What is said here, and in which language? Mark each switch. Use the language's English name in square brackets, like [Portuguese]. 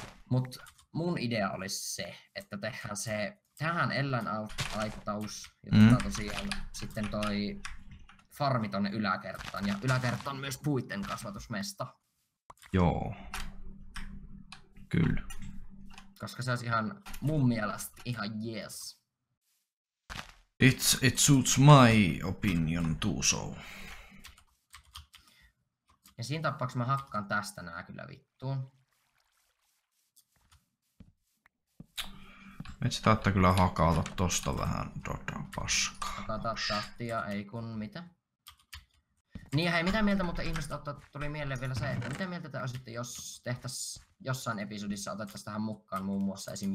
[Finnish] Mut mun idea olisi se, että tehdään se tähän eläinaittaus. Ja tehdään tosiaan sitten toi farmi tonne yläkertaan. Ja yläkertaan myös puitten kasvatusmesta. Joo. Kyllä. Koska se olisi ihan mun mielestä ihan jees. [English] It suits my opinion too, so. [Finnish] Ja siinä tapauksessa mä hakkaan tästä nää kyllä vittuun. Metsä taittaa kyllä hakata tosta vähän paskaa. Hakata tahtia, ei kun mitä. Niin ja hei, mitä mieltä, mutta ihmiset tuli mieleen vielä se, että mitä mieltä te olisitte, jos tehtäis jossain episodissa otettais tähän mukaan muun muassa esim.